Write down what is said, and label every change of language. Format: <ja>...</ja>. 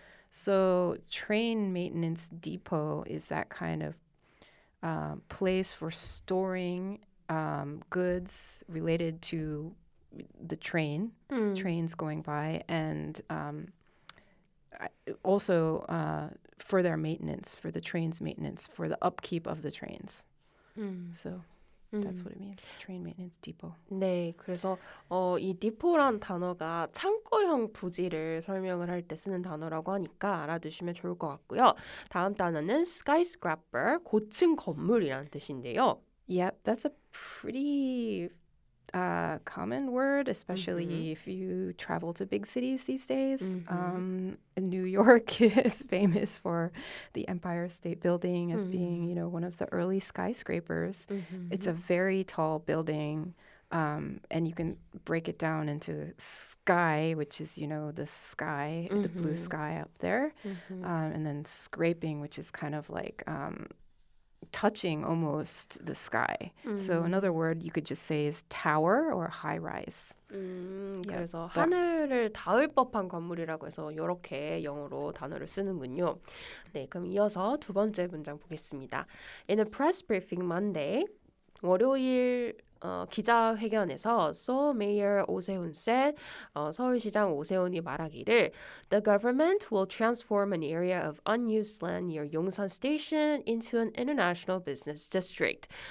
<en>So train maintenance depot is that kind of place for storing goods related to the train, trains going by, and also for their maintenance, for the train's maintenance, for the upkeep of the trains. So that's what it means, train maintenance depot.</en> <ko>네, 그래서 이 depot란 단어가 창고형 부지를 설명을 할 때 쓰는 단어라고 하니까 알아두시면 좋을 것 같고요. 다음 단어는 skyscraper, 고층 건물이라는 뜻인데요.</ko> <en>Yep, that's a pretty common word, especially if you travel to big cities these days. New York is famous for the Empire State Building as being, you know, one of the early skyscrapers. It's a very tall building. And you can break it down into sky, which is, you know, the sky, the blue sky up there. And then scraping, which is kind of like touching almost the sky. So another word you could just say is tower or high rise.</en> <ko>그래서 yeah, 하늘을 닿을 법한 건물이라고 해서 이렇게 영어로 단어를 쓰는군요. 네, 그럼 이어서 두 번째 문장 보겠습니다.</ko> <en>In a press briefing Monday,</en> <ko>월요일 기자회견에서</ko> <en>Seoul Mayor 오세훈 said,</en> <ko>서울시장 오세훈이 말하기를</ko> <en>The government will transform an area of unused land near Yongsan Station into an international business district.</en>